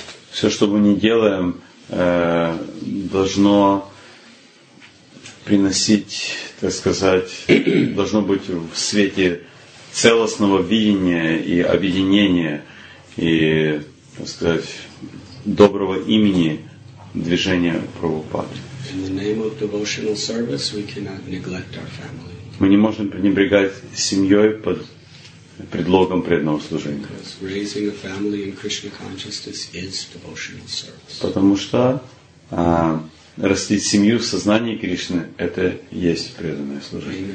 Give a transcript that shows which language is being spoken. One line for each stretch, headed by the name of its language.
Russian: Все, что мы не делаем, должно приносить, так сказать, должно быть в свете целостного видения и объединения, и, так сказать, доброго имени движения Прабхупады.
English: In the name of devotional service, we cannot neglect our family.
Russian: Мы не можем пренебрегать семьей под предлогом преданного служения.
English: Because raising a family in Krishna consciousness is devotional service.
Russian: Потому что растить семью в сознании Кришны — это есть преданное служение.